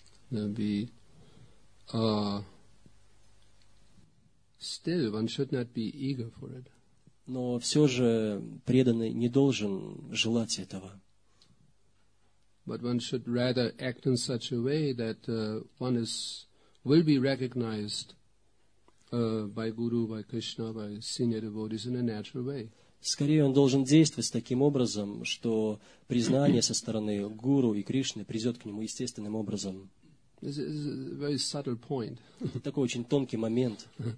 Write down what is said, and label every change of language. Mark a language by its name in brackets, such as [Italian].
[English] No, we are still, one should not be eager for it. [Russian] Но все же преданный не должен желать этого. [English] But one should rather act in such a way that one is will be recognized by Guru, by Krishna, by senior devotees in a natural way. [Russian] Скорее, он должен действовать таким образом, что признание со стороны гуру и Кришны придет к нему естественным образом. Это такой очень тонкий момент.